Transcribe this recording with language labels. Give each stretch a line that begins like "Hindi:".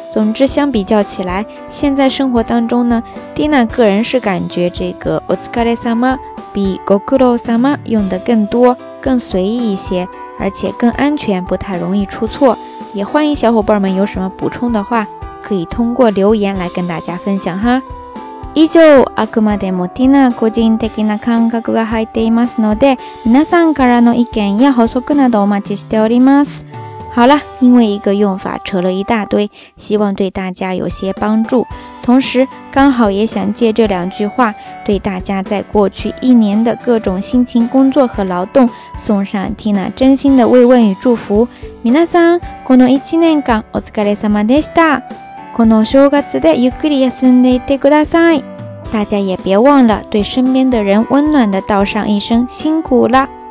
Chinese: 总之，相比较起来，现在生活当中呢，蒂娜个人是感觉这个お疲れ様比ご苦労様用得更多，更随意一些，而且更安全，不太容易出错。也欢迎小伙伴们有什么补充的话，可以通过留言来跟大家分享哈。
Japanese: 以上、あくまでもティナ個人的な感覚が入っていますので、皆さんからの意見や補足などお待ちしております。
Chinese: 好了，因为一个用法扯了一大堆，希望对大家有些帮助。同时，刚好也想借这两句话，对大家在过去一年的各种辛勤工作和劳动，送上ティナ真心的慰问与祝福。
Japanese: 皆さん、この一年間お疲れ様でした。この正月でゆっくり休んでいてください。
Chinese: 大家也别忘了对身边的人温暖地道上一声辛苦了。